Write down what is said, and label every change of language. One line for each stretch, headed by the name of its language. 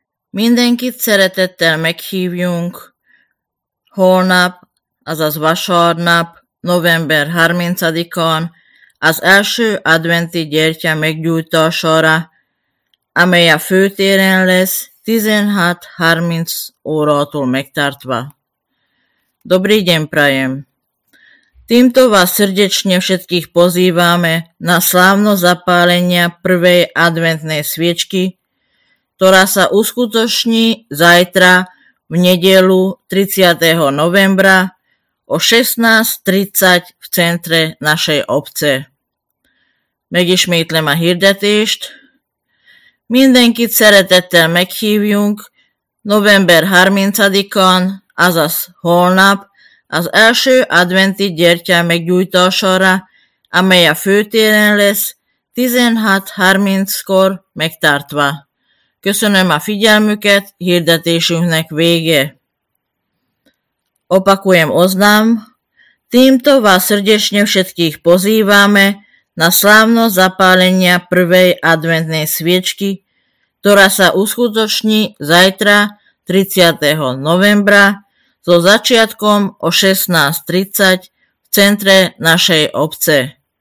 Hungarian: Mindenkit szeretettel meghívjunk holnap, azaz vasárnap, november 30-án az első adventi gyertya meggyújtására, amely a főtéren lesz 16:30 órától megtartva.
Slovak: Dobrý deň prajem! Týmto vás srdečne všetkých pozývame na slávnosť zapálenia prvej adventnej sviečky, ktorá sa uskutoční zajtra v nedeľu 30. novembra o 16:30 v centre našej obce.
Hungarian: Megismétlem a hirdetést. Mindenkit szeretettel meghívjunk november 30-án, azaz holnap, az első adventi gyertya meggyújtására, amely a főtéren lesz 16:30-kor megtartva. Köszönöm a figyelmüket, hirdetésünknek vége.
Slovak: Opakujem oznám, týmto vás srdečne všetkých pozývame na slávnosť zapálenia prvej adventnej sviečky, ktorá sa uskutoční zajtra 30. novembra so začiatkom o 16:30 v centre našej obce.